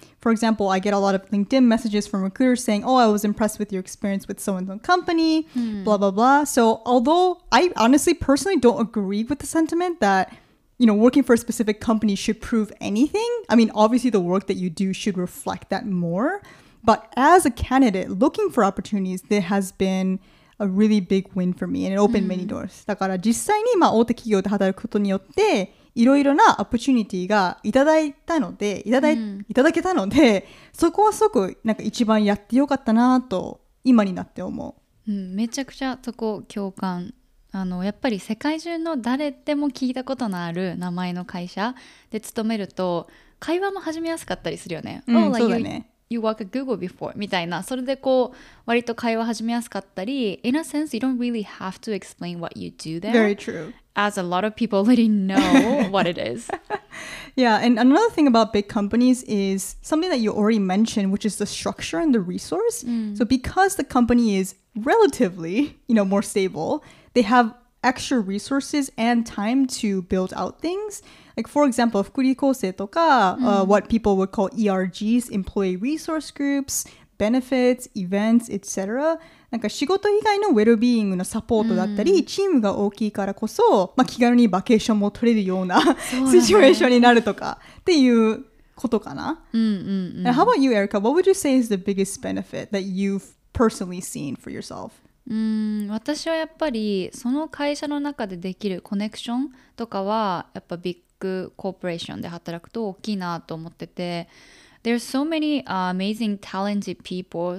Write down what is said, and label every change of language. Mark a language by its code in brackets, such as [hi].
[en] For example, I get a lot of LinkedIn messages from recruiters saying, oh, I was impressed with your experience with so-and-so company, blah, blah, blah. So although I honestly personally don't agree with the sentiment that you know, working for a specific company should prove anything. I mean, obviously the work that you do should reflect that more. But as a candidate looking for opportunities, there has been a really big win for me and it opened many doors. [ja] だから実際に、まあ、大手企業で働くことによっていろいろなオプチュニティがいただいたのでいただけたのでそこはすごくなんか一番やってよかったなと今になって思う。うん、めちゃくちゃそこ共感。あのやっぱり世界中の誰でも聞いたことのある名前の会社で勤めると会話も始めやすかったりするよね。うん、そうだね。 [en] You work at Google before [ja] みたいな。それでこう割と会話始めやすかったり。 [en] In a sense, you don't really have to explain what you do there. Very true. As a lot of people already know what it is. Yeah, and another thing about big companies is something that you already mentioned, which is the structure and the resource. So because the company is relatively, you know, more stable, they have extra resources and time to build out things. Like, for example, [ja] 福利厚生とか、 [en] what people would call ERGs, employee resource groups, benefits, events, etc. [ja] なんか仕事以外のウェルビーイングのサポートだったり、チームが大きいからこそ、まあ、気軽にバケーションも取れるようなシチュエーションになるとかっていうことかな。 [en] And how about you, Erika? What would you say is the biggest benefit that you've personally seen for yourself? [ja] 私はやっぱりその会社の中でできるコネクションとかはやっぱビッグコーポレーションで働くと大きいなと思ってて [en] There's so many amazing talented people.